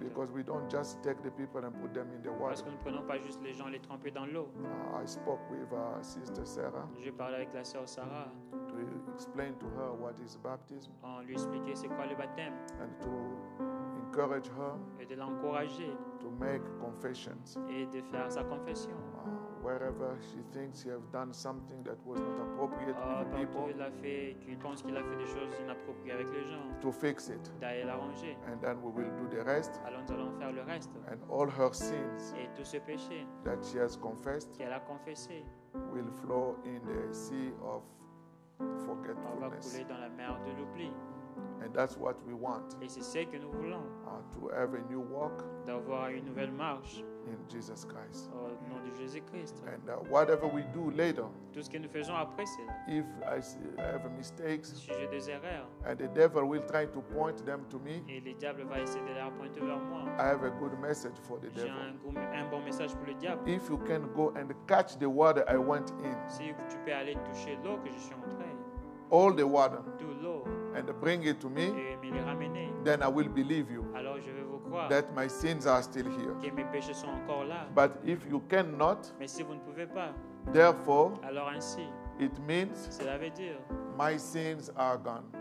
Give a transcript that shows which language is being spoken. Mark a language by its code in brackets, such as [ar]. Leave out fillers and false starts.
[en] Because we don't just take the people and put them in the water. [fr] Parce que nous ne prenons pas juste les gens et les tremper dans l'eau. [en] I spoke with Sister Sarah. [fr] Je parlais avec la sœur Sarah. [en] To explain to her what is baptism. [fr] En lui expliquer c'est quoi le baptême. [en] And to encourage her [fr] et de l'encourager [en] to make confessions [fr] et de faire sa confession. [en] Wherever she thinks she has done something that was not appropriate with people, [fr] il a fait, qu'il pense qu'il a fait des choses inappropriées avec les gens, [en] to fix it, [fr] d'aller l'arranger, [en] and then we will do the rest. [fr] Alors nous allons faire le reste, [en] and all her sins [fr] et tous ses péchés [en] that she has confessed, [fr] qu'elle a confessé, [en] will flow in the sea of forgetfulness. And that's what we want. [fr] Et c'est ce que nous voulons. [en] To have a new walk. [fr] D'avoir une nouvelle marche. [en] In Jesus Christ. [fr] Au nom de Jésus Christ. [en] And whatever we do later. [fr] Tout ce que nous faisons après c'est là. [en] If I have mistakes. [fr] Si j'ai des erreurs. [en] And the devil will try to point them to me. [fr] Et le diable va essayer de les pointer vers moi. [en] I have a good message for the devil. [fr] J'ai un bon message pour le diable. [en] If you can go and catch the water I went in. [fr] Si tu peux aller toucher l'eau que je suis entré. [en] All the water. [fr] De l'eau. [en] And bring it to me, then I will believe you. [fr] Alors je vais vous croire [en] that my sins are still here. [fr] Que mes péchés sont encore là. [en] But if you cannot, [fr] mais si vous ne pouvez pas, [en] therefore, [fr] alors ainsi, [en] it means [fr] cela veut dire, [en] my sins are gone.